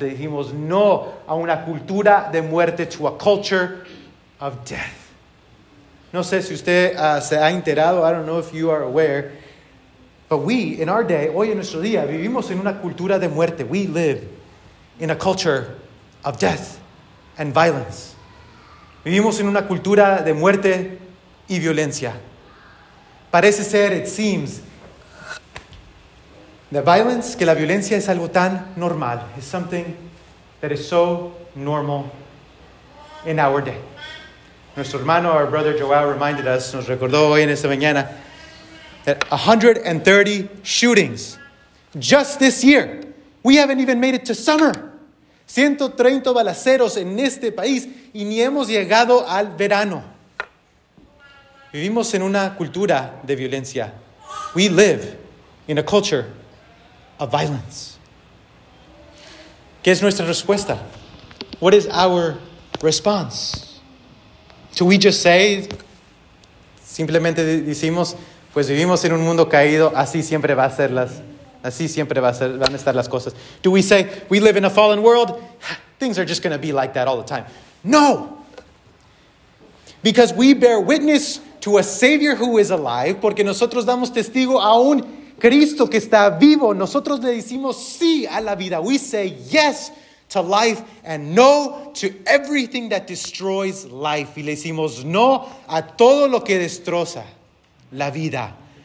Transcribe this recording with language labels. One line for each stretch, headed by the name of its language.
Spanish: Dijimos no a una cultura de muerte,
English: to a culture of death.
Spanish: No sé si usted se ha enterado,
English: I don't know if you are aware, but we, in our day,
Spanish: hoy en nuestro día, vivimos en una cultura de muerte.
English: We live in a culture of death and violence.
Spanish: Vivimos en una cultura de muerte y violencia. Parece ser,
English: it seems, the violence,
Spanish: que la violencia es algo tan normal.
English: It's something that is so normal in our day.
Spanish: Nuestro hermano,
English: our brother Joao, reminded us,
Spanish: nos recordó hoy en esta mañana,
English: that 130 shootings just this year. We haven't even made it to summer.
Spanish: 130 balaceros en este país y ni hemos llegado al verano. Vivimos en una cultura de violencia.
English: We live in a culture of violence.
Spanish: ¿Qué es nuestra respuesta?
English: What is our response? Do we just say,
Spanish: simplemente decimos, pues vivimos en un mundo caído, así siempre va a ser las, así siempre va a ser, van a estar las cosas.
English: Do we say, we live in a fallen world, things are just going to be like that all the time? No! Because we bear witness to a Savior who is alive,
Spanish: porque nosotros damos testigo a un Cristo que está vivo. Nosotros le decimos sí a la vida.
English: We say yes to life and no to everything that destroys life.
Spanish: Y le decimos no a todo lo que destroza la vida.